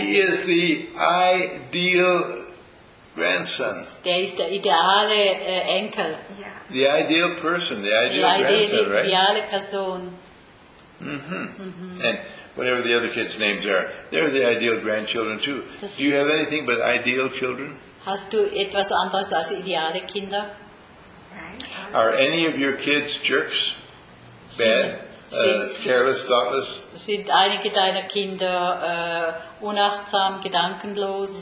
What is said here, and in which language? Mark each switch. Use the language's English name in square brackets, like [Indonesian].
[English] He is the ideal grandson. [German] Der ist der ideale Enkel. [English] The ideal person, the ideal grandson, right? [German] Die ideale Person. [English] And whatever the other kids' names are, they're the ideal grandchildren too. Das do you have anything but ideal children? [German] Hast du etwas anderes als ideale Kinder? [English] Are any of your kids jerks? Bad? Careless, thoughtless? [German] Sind einige deiner Kinder unachtsam, gedankenlos?